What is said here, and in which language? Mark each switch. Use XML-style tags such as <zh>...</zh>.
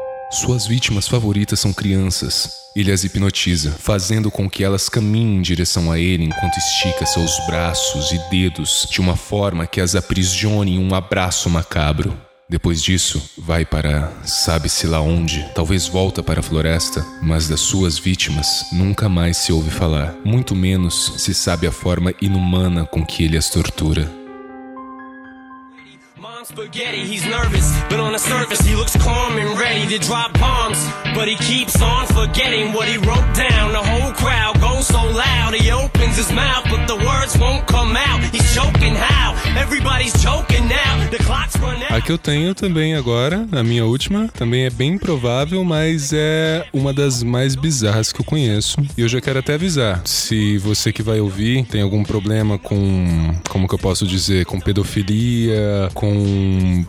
<pt>Suas vítimas favoritas são crianças. Ele as hipnotiza, fazendo com que elas caminhem em direção a ele enquanto estica seus braços e dedos de uma forma que as aprisione em um abraço macabro. Depois disso, vai para sabe-se lá onde. Talvez volta para a floresta, mas das suas vítimas nunca mais se ouve falar. Muito menos se sabe a forma inumana com que ele as tortura.</pt> <en>Spaghetti, he's nervous, but on the surface he looks calm and ready to drop bombs. But he keeps on forgetting what he wrote down. The whole crowd goes so loud, he opens his mouth, but the words won't come out. He's choking how? Everybody's choking now. The clock's run out.</en> <pt>A que eu tenho também agora, a minha última, também é bem provável, mas é uma das mais bizarras que eu conheço. E eu já quero até avisar, se você que vai ouvir tem algum problema com, como que eu posso dizer, com pedofilia, com...</pt>